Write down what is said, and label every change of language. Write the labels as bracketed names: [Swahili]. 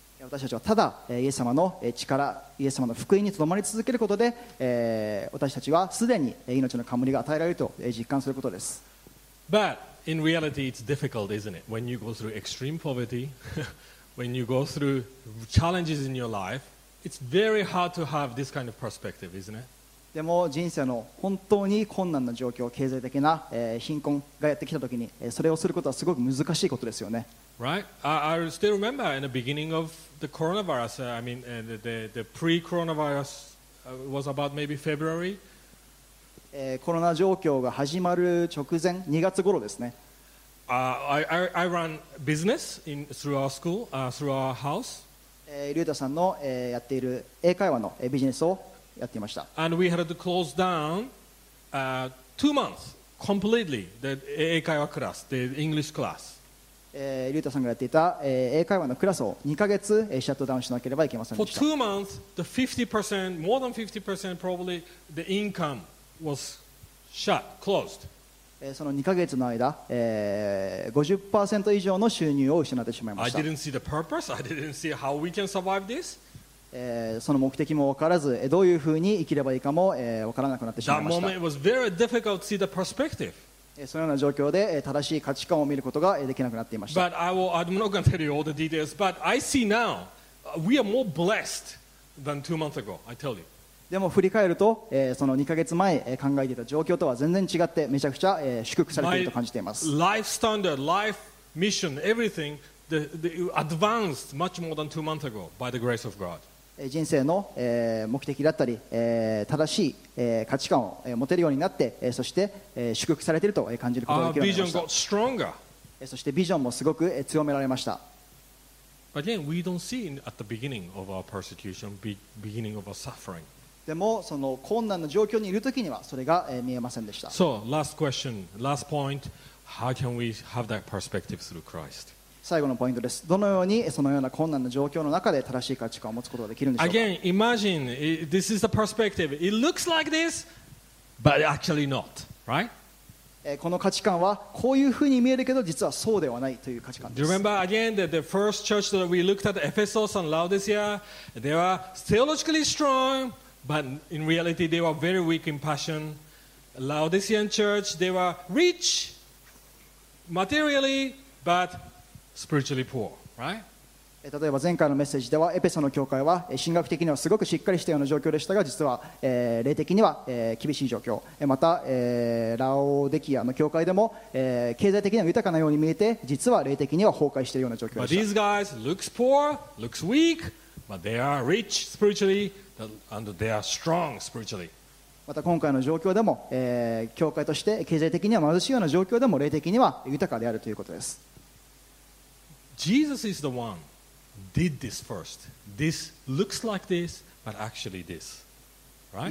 [Japanese] 私たちはただイエス様の力、イエス様の福音にとどまり続けることで、私たちはすでに命の冠が与えられると実感することです。 [English] But in reality, it's difficult, isn't it? When you go through extreme poverty, when you go through challenges in your life, it's very hard to have this kind of perspective, isn't it? [Japanese] でも人生の本当に困難な状況、経済的な、貧困がやってきたときに、それをすることはすごく難しいことですよね。 [English] Right? I still remember in the beginning of the coronavirus, I mean, the pre-coronavirus was about maybe February. [Japanese] コロナ状況が始まる直前、2月頃ですね。 [English] I run business through our school, through our house. [Japanese] リュータさんの、やっている英会話の、ビジネスをやっていました。 [English] And we had to close down 2 months completely the [Japanese] 英会話クラス、 [English] the English class. [Japanese] リュータさんがやっていた英会話のクラスを2ヶ月シャットダウンしなければいけませんでした。 [English] For 2 months, the 50%, more than 50% probably the income was shut, closed. [Japanese] その2ヶ月の間、50% 以上の収入を失ってしまいました。 [English] I didn't see the purpose. I didn't see how we can survive this. [Japanese] その目的も分からず、どういうふうに生きればいいかも、分からなくなってしまいました。 [English] That moment was very difficult to see the perspective. [Japanese] そのような状況で、正しい価値観を見ることができなくなっていました。 [English] But I'm not going to tell you all the details, but I see now we are more blessed than 2 months ago, I tell you. [Japanese] でも振り返ると、その2ヶ月前、考えていた状況とは全然違って、めちゃくちゃ、祝福されていると感じています。 [English] Life standard, life mission, everything advanced much more than 2 months ago by the grace of God. [Japanese] 人生の、目的だったり、正しい、価値観を持てるようになって、そして、祝福されていると感じることができました。 [English] Our vision got stronger. [Japanese] そしてビジョンもすごく強められました。 [English] Again, we don't see at the beginning of our persecution, beginning of our suffering. [Japanese] でもその困難な状況にいるときにはそれが見えませんでした。 [English] So, last question, last point. How can we have that perspective through Christ? [Japanese] 最後のポイントです。どのようにそのような困難な状況の中で正しい価値観を持つことができるんでしょうか。 [English] Again, imagine this is the perspective. It looks like this, but actually not, right? [Japanese] この価値観はこういうふうに見えるけど実はそうではないという価値観です。 [English] Do you remember again that the first church that we looked at, Ephesus and Laodicea, they are theologically strong. But in reality, they were very weak in passion. Laodicean church, they were rich materially, but spiritually poor, right? [Japanese] 例えば前回のメッセージでは、エペソの教会は神学的にはすごくしっかりしたような状況でしたが、実は、霊的には、厳しい状況。また、ラオデキアの教会でも、経済的には豊かなように見えて、実は霊的には崩壊しているような状況でした。 [English] But these guys looks poor, looks weak, but they are rich spiritually. And they are strong spiritually. [Japanese] また今回の状況でも、教会として経済的には貧しいような状況でも霊的には豊かであるということです。 [English] Jesus is the one did this first. This looks like this, but actually this. Right?